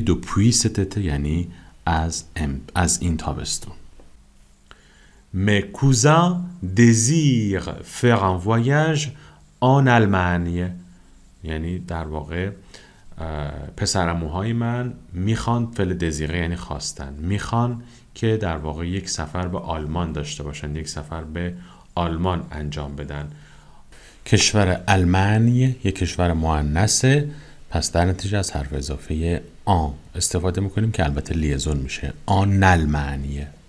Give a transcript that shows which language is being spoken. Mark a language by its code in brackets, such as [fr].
[fa] دو پوی ستته یعنی از این تابستون. [fr] Mes cousins désirent faire un voyage en Allemagne. [fa] یعنی در واقع پسرموهای من میخوان، فل دزیره یعنی خواستن، میخوان که در واقع یک سفر به آلمان داشته باشن، یک سفر به آلمان انجام بدن. کشور آلمانی یک کشور مؤنثه، پس در نتیجه از حرف اضافه آن استفاده میکنیم که البته لیزون میشه آن آلمانی.